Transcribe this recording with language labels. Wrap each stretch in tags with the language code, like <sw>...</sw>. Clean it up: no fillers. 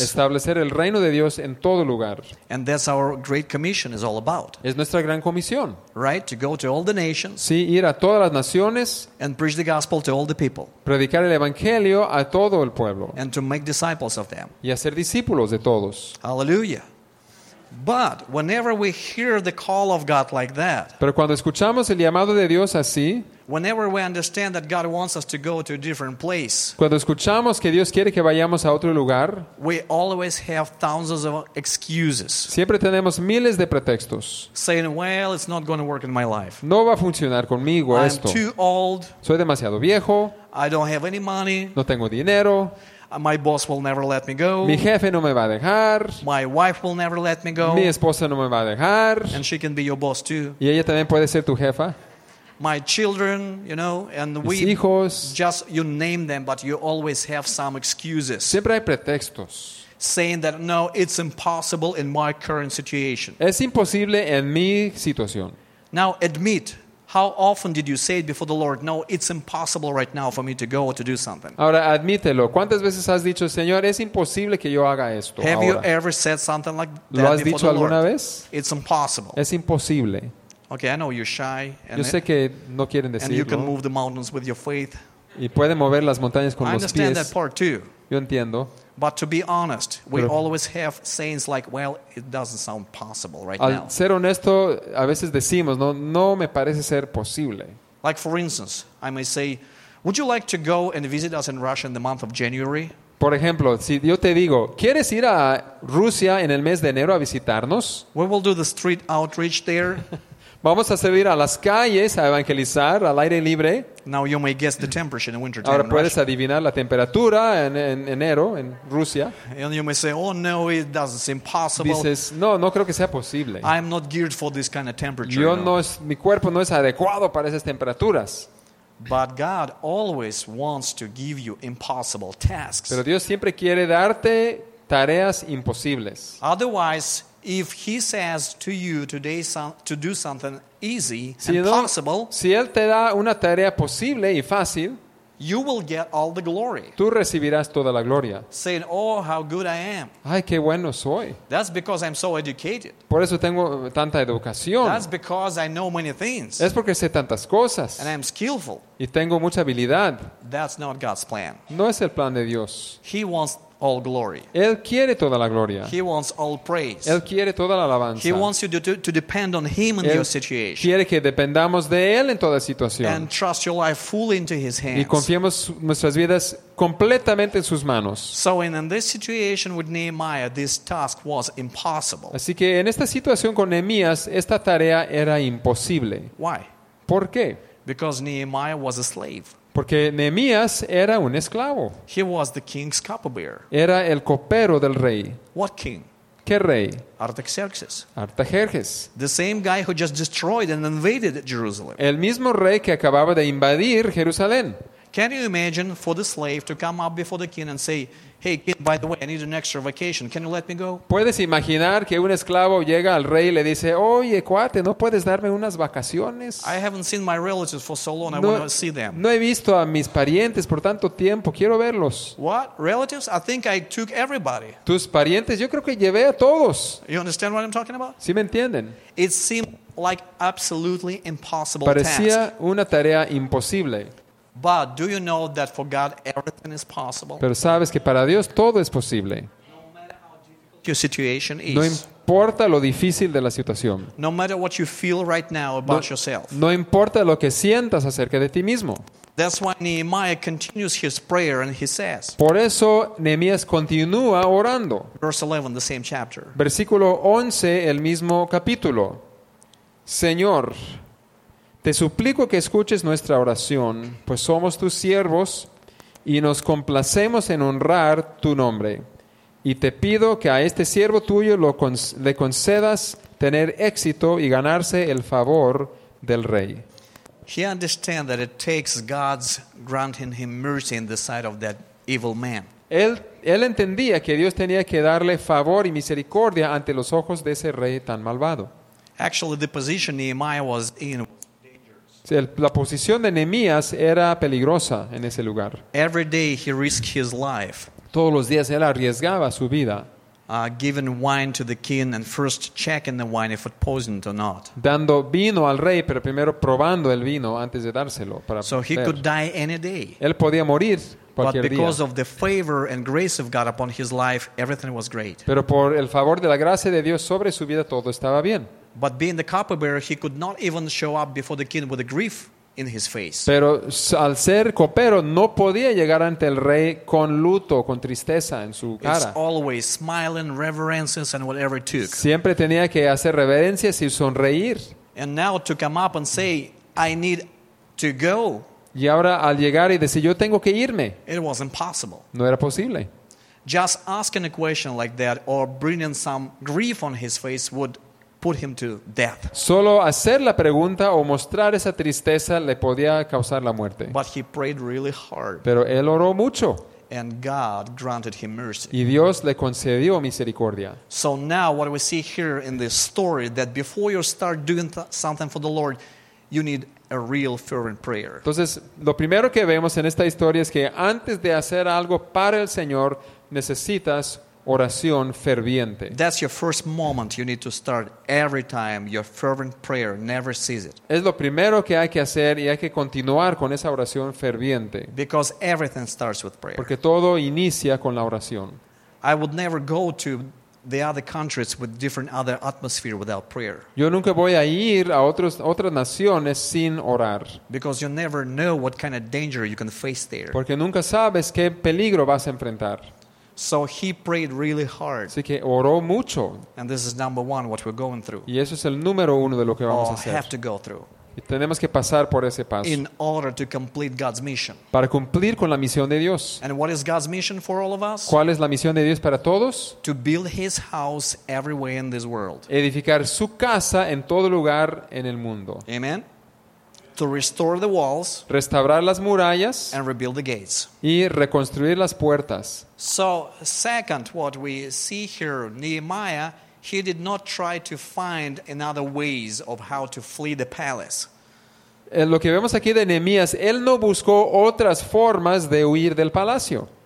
<es>Establecer el reino de Dios en todo lugar.</es> <en>And that's our great commission is all about.</en> <es>Es nuestra gran comisión.</es> <en>Right? To go to all the nations.</en> <es>Sí, ir a todas las naciones.</es> <en>And preach the gospel to all the people.</en> <es>Predicar el evangelio a todo el pueblo.</es> <en>And to make disciples of them.</en> <es>Y hacer discípulos de todos.</es> <en>Hallelujah. But whenever we hear the call of God like that.</en> <es>Pero cuando escuchamos el llamado de Dios así.</es> <en>Whenever we understand that God wants us to go to a different place.</en> <es>Cuando escuchamos que Dios quiere que vayamos a otro lugar.</es> <en>We always have thousands of excuses.</en> <es>Siempre tenemos miles de pretextos.</es> <en>Saying, "Well, it's not going to work in my life."</en> <es>No va a funcionar conmigo esto.</es> <en>I'm too old.</en> <es>Soy demasiado viejo.</es> <en>I don't have any money.</en> <es>No tengo dinero.</es> <en>My boss will never let me go.</en> <es>Mi jefe no me va a dejar.</es> <en>My wife will never let me go.</en> <es>Mi esposa no me va a dejar.</es> <en>And she can be your boss too.</en> <es>Y ella también puede ser tu jefa.</es> <en>My children, you know, and</en> <es>mis</es> <en>we</en> <es>hijos.</es> <en>Just you name them, but you always have some excuses.</en> <es>Siempre hay pretextos.</es> <en>saying that no, it's impossible in my current situation.</en> <es>Es imposible en mi situación.</es> <en>Now admit, how often did you say it before the Lord? No, it's impossible right now for me to go or to do something.</en> <es>Ahora admítelo. ¿Cuántas veces has dicho, Señor, es imposible que yo haga esto?</es> <en>Have</en> <es>ahora.</es> <en>You ever said something like that before the</en> <es>Lord? ¿Lo has dicho alguna</es> <en>Lord?</en> <es>Vez?</es> <en>It's impossible.</en> <es>Es imposible.</es> <en>Okay, I know you're shy.</en> <es>Yo sé que no quieren decirlo.</es> <en>And you can move the mountains with your faith.</en> <es>Y pueden mover las montañas con los pies.</es> <en>I understand that part too.</en> <es>Yo entiendo.</es> <en>But to be honest, we Pero, always have sayings like, "Well, it doesn't sound possible right</en> <es>al</es> <en>now."</en> <es>Al ser honesto, a veces decimos, "No, no me parece ser posible."</es> <en>Like for instance, I may say, "Would you like to go and visit us in Russia in the month of January?"</en> <es>Por ejemplo, si yo te digo, "¿Quieres ir a Rusia en el mes de enero a visitarnos?"</es> <en>We will do the street outreach there.</en> <es>Vamos a salir a las calles a evangelizar al aire libre.</es> <en>Now you may guess the temperature in winter time.</en> <es>Ahora puedes</es> <en>Russia.</en> <es>Adivinar la temperatura en enero en Rusia.</es> <en>And you may say, "Oh no, it doesn't seem possible."</en> <es>Dices, "No, no creo que sea posible."</es> <en>I'm not geared for this kind of temperature.</en> <es>Yo no es, mi cuerpo no es adecuado para esas temperaturas.</es> <en>But God always wants to give you impossible tasks.</en> <es>Pero Dios siempre quiere darte tareas imposibles.</es> <en>Otherwise, if he says to you today to do something easy and possible,</en> <es>si él te da una tarea posible y fácil,</es> <en>you will get all the glory.</en> <es>Tú recibirás toda la gloria.</es> <en>Saying, "Oh, how good I am."</en> <es>Ay, qué bueno soy.</es> <en>That's because I'm so educated.</en> <es>Por eso tengo tanta educación.</es> <en>That's because I know many things.</en> <es>Es porque sé tantas cosas.</es> <en>And I'm skillful.</en> <es>Y tengo mucha habilidad.</es> <en>That's not God's plan.</en> <es>No es el plan de Dios.</es> <en>He wants all glory.</en> <es>Él quiere toda la gloria.</es> <en>He wants all praise.</en> <es>Él quiere toda la alabanza.</es> <en>He wants you to depend on him in your situation.</en> <es>Quiere que dependamos de él en toda situación.</es> <en>And trust your life fully into his hands.</en> <es>Y confiemos nuestras vidas completamente en sus manos.</es> <en>So in this situation with Nehemiah, this task was impossible.</en> <es>Así que en esta situación con Nehemías, esta tarea era imposible.</es> <en>Why?</en> <es>¿Por qué?</es> <en>Because Nehemiah was a slave.</en> <es>Porque Nehemías era un esclavo.</es> <en>He was the king's cupbearer.</en> <es>Era el copero del rey.</es> <en>What king?</en> <es>¿Qué rey?</es> <en>Artaxerxes.</en> <es>Artajerjes.</es> <en>The same guy who just destroyed and invaded Jerusalem.</en> <es>El mismo rey que acababa de invadir Jerusalén.</es> <en>Can you imagine for the slave to come up before the king and say, "Hey, kid, by the way, I need an extra vacation. Can you let me go?"</en> <es>¿Puedes imaginar que un esclavo llega al rey y le dice, "Oye, cuate, ¿no puedes darme unas vacaciones?"</es> <en>I haven't seen my relatives for so long. No, I want to see them.</en> <es>No he visto a mis parientes por tanto tiempo. Quiero verlos.</es> <en>What? Relatives? I think I took everybody.</en> <es>¿Tus parientes? Yo creo que llevé a todos.</es> <en>You understand what I'm talking about?</en> <es>¿Sí me entienden?</es> <en>It seemed like absolutely impossible</en> <es>Parecía</es> <en>task.</en> <es>Parecía una tarea imposible.</es> <en>But do you know that for God everything is possible?</en> <es>Pero sabes que para Dios todo es posible.</es> <en>No matter how difficult your situation is.</en> <es>No importa lo difícil de la situación.</es> <en>No matter what you feel right now about yourself.</en> <es>No importa lo que sientas acerca de ti mismo.</es> <en>That's why Nehemiah continues his prayer and he says.</en> <es>Por eso Nehemías continúa orando.</es> <en>Verse 11, the same chapter.</en> <es>Versículo 11, el mismo capítulo. Señor, te suplico que escuches nuestra oración, pues somos tus siervos y nos complacemos en honrar tu nombre. Y te pido que a este siervo tuyo le concedas tener éxito y ganarse el favor del rey.</es> <en>He understands that it takes God's granting him mercy in the sight of that evil man.</en> <es>Él entendía que Dios tenía que darle favor y misericordia ante los ojos de ese rey tan malvado.</es> <en>Actually, the position Nehemiah was in.</en> <es>La posición de Nehemías era peligrosa en ese lugar.</es> <en>Every day he risked his life.</en> <es>Todos los días él arriesgaba su vida.</es> <en>Giving wine to the king and first checking the wine if it poisoned or not.</en> <es>Dando vino al rey, pero primero probando el vino antes de dárselo para</es> <en>So he</en> <es>ver.</es> <en>Could die any day.</en> <es>Él podía morir cualquier</es> <en>But because</en> <es>día.</es> <en>Of the favor and grace of God upon his life, everything was great.</en> <es>Pero por el favor de la gracia de Dios sobre su vida todo estaba bien.</es> <en>But being the cupbearer, he could not even show up before the king with a grief in his face.</en> <es>Pero al ser copero, no podía llegar ante el rey con luto, con tristeza en su cara.</es> <en>It's always smiling, reverences, and whatever it took.</en> <es>Siempre tenía que hacer reverencias y sonreír.</es> <en>And now to come up and say, "I need to go."</en> <es>Y ahora al llegar y decir, "Yo tengo que irme."</es> <en>It was impossible.</en> <es>No era posible.</es> <en>Just asking a question like that or bringing some grief on his face would put him to death.</en> <es>Solo hacer la pregunta o mostrar esa tristeza le podía causar la muerte.</es> <en>But he prayed really hard.</en> <es>Pero él oró mucho.</es> <en>And God granted him mercy.</en> <es>Y Dios le concedió misericordia.</es> <en>So now what we see here in this story that before you start doing something for the Lord, you need a real fervent prayer.</en> <es>Entonces, lo primero que vemos en esta historia es que antes de hacer algo para el Señor, necesitas oración ferviente.</es> <en>That's your first moment you need to start every time. Your fervent prayer never ceases.</en> <es>Es lo primero que hay que hacer y hay que continuar con esa oración ferviente.</es> <en>Because everything starts with prayer.</en> <es>Porque todo inicia con la oración.</es> <en>I would never go to the other countries with different other atmosphere without prayer.</en> <es>Yo nunca voy a ir a otras naciones sin orar.</es> <en>Because you never know what kind of danger you can face there.</en> <es>Porque nunca sabes qué peligro vas a enfrentar.</es> <en>So he prayed really hard.</en> <es>Así que oró mucho.</es> <en>And this is number one what we're going through.</en> <es>Y eso es el número uno de lo que vamos a hacer.</es> <en>Have to go through.</en> <es>Y tenemos que pasar por ese paso.</es> <en>In order to complete God's mission.</en> <es>Para cumplir con la misión de Dios.</es> <en>And what is God's mission for all of us?</en> <es>¿Cuál es la misión de Dios para todos?</es> <en>To build his house everywhere in this world.</en> <es>Edificar su casa en todo lugar en el mundo.</es> <en>Amen. To restore the walls,</en> <es>restaurar las murallas,</es> <en>and rebuild the gates,</en> <es>y reconstruir las puertas.</es> <en>So, second, what we see here, Nehemiah, he did not try to find another ways of how to flee the palace.</en> <es>Lo que vemos aquí de Nehemías, él no buscó otras formas de huir del palacio.</es>